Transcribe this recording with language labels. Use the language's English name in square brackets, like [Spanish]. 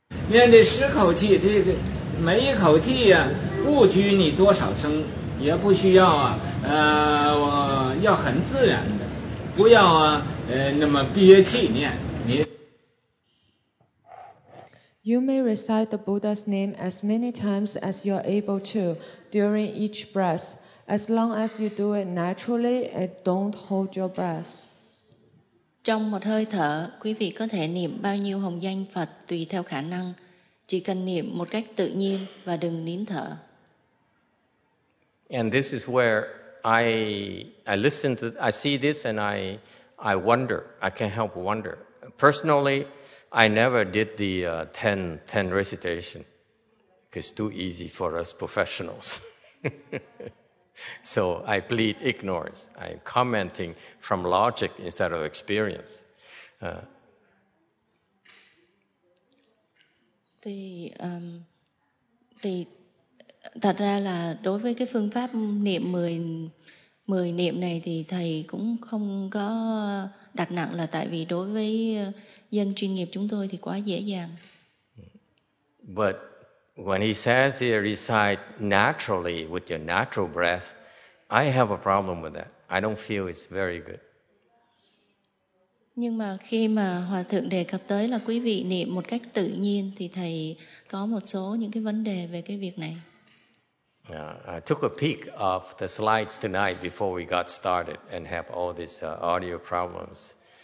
[Chinese] 面对十口气，这个每一口气呀、不拘你多少声，也不需要啊，我要很自然的，不要啊，那么憋气念。你 [English] You may recite the Buddha's name as many times as you are able to during each breath, as long as you do it naturally and don't hold your breath. [Vietnamese] Trong một hơi thở, quý vị có thể niệm bao nhiêu hồng danh Phật tùy theo khả năng. Chỉ cần niệm một cách tự nhiên và đừng nín thở. [English] And this is where I see this and I wonder. I can't help but wonder. Personally, I never did the 10 recitation. It's too easy for us professionals. So I plead ignorance. I'm commenting from logic instead of experience. [Vietnamese] Thì thật ra là đối với cái phương pháp niệm 10 niệm này thì thầy cũng không có đặt nặng là tại vì đối với dân chuyên nghiệp chúng tôi thì quá dễ dàng. [English] But when he says he recite naturally with your natural breath, I have a problem with that. I don't feel it's very good. [Vietnamese] Nhưng mà khi mà Hòa Thượng đề cập tới là quý vị niệm một cách tự nhiên thì thầy có một số những cái vấn đề về cái việc này. [English] I took a peek of the slides tonight before we got started and have all these audio problems.